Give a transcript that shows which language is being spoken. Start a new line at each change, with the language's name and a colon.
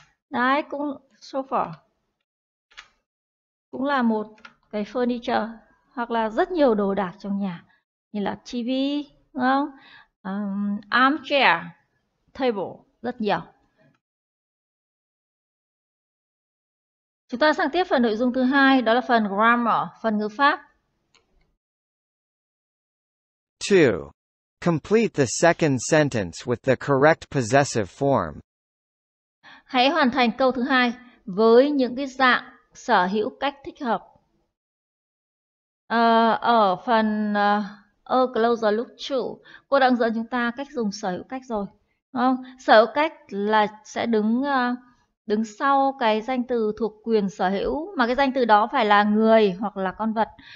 Vietnamese: Đấy, cũng sofa cũng là một cái furniture, hoặc là rất nhiều đồ đạc trong nhà như là TV, đúng không? Armchair, table, rất nhiều. Chúng ta sang tiếp phần nội dung thứ hai, đó là phần grammar, phần ngữ pháp. 2.
English: Complete the second sentence with the correct possessive form.
Vietnamese: Hãy hoàn thành câu thứ hai với những cái dạng sở hữu cách thích hợp. Ở phần a closer look to, cô đã dẫn chúng ta cách dùng sở hữu cách rồi, đúng không? Sở hữu cách là sẽ đứng sau cái danh từ thuộc quyền sở hữu, mà cái danh từ đó phải là người hoặc là con vật.